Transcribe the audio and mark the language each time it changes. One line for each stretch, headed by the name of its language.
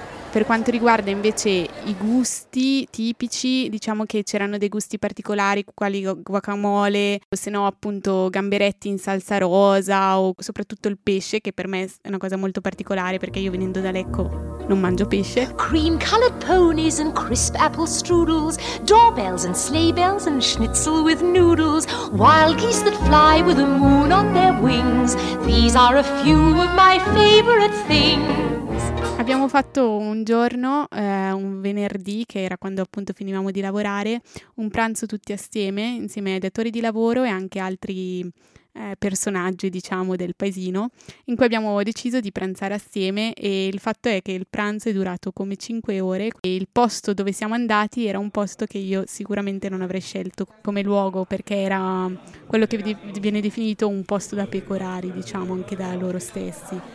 Italian: Per quanto riguarda invece i gusti tipici, diciamo che c'erano dei gusti particolari, quali guacamole, o se no appunto gamberetti in salsa rosa, o soprattutto il pesce, che per me è una cosa molto particolare perché io, venendo da Lecco, non mangio pesce.
English: Cream colored ponies and crisp apple strudels, doorbells and sleigh bells and schnitzel with noodles, wild geese that fly with the moon on their wings. These are a few of my favorite things.
Italian: Abbiamo fatto un giorno, un venerdì, che era quando appunto finivamo di lavorare, un pranzo tutti assieme, insieme ai datori di lavoro e anche altri personaggi, diciamo, del paesino, in cui abbiamo deciso di pranzare assieme e il fatto è che il pranzo è durato come 5 ore e il posto dove siamo andati era un posto che io sicuramente non avrei scelto come luogo perché era quello che viene definito un posto da pecorari, diciamo, anche da loro stessi.